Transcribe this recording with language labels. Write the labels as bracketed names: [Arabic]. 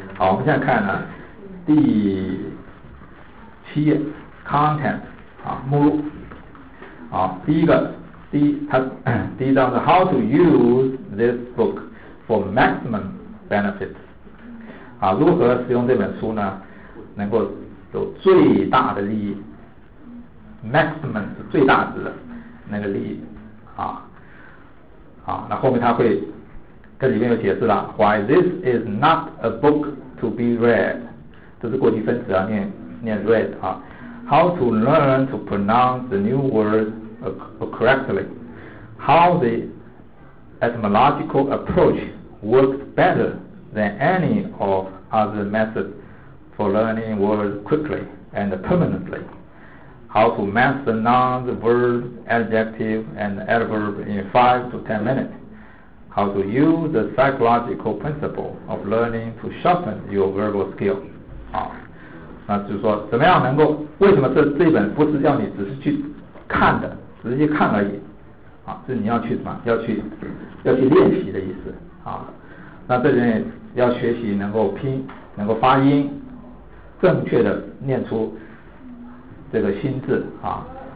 [Chinese] 好，我们现在看呢第七页 Content 啊，目录啊，第一章是 [English] How to use this book for maximum benefit。 [Chinese] 啊，如何使用这本书呢？能够有最大的利益 ，maximum 是最大值的那个利益啊。好，那后面他会跟里面有解释了。 [English] Why this is not a book to be read？ [Chinese] 这是过去分词啊，念 read 啊。 [English] How to learn to pronounce the new word correctly？How the etymological approach works better than any of other methods for learning words quickly and permanently. How to master nouns, verbs, adjectives, and adverbs in 5 to 10 minutes. How to use the psychological principle of learning to sharpen your verbal skill. [Chinese] 好，那就是说怎么样能够，为什么这本不是叫你只是去看的，只是去看而已啊，是你要去什么，要去练习的意思啊。那这边要学习能够拼，能够发音，正确的念出这个新字啊。